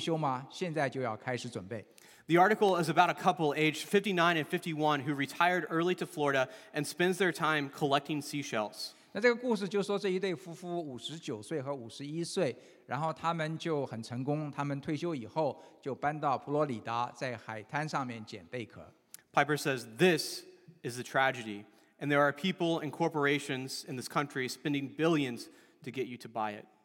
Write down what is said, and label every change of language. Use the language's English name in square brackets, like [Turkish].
[Chinese] 那这个他从《读者文摘》里边选一篇文章来读。这个文章的题目就是说，你要提早退休吗？现在就要开始准备。 [English] The article is about a couple aged 59 and 51 who retired early to Florida and spends their time collecting seashells. [Chinese] 那这个故事就说这一对夫妇59岁和51岁，然后他们就很成功，他们退休以后就搬到佛罗里达，在海滩上面捡贝壳。Piper [English] says, this is the tragedy, and there are people and corporations in this country spending billions to get you to buy it.